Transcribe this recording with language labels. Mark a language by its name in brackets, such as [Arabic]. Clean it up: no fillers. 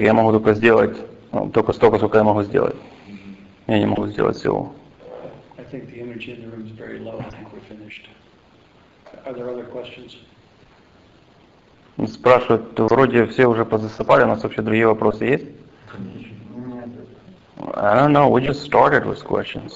[Russian] Я могу только сделать только столько, сколько я могу сделать. Я не могу сделать всего. [English] I think the energy in the room is very low. I think we're finished. Are there other questions? [Russian] Спрашивают, вроде все уже позасыпали, у нас вообще другие вопросы есть? [English] I don't know, we just started with questions.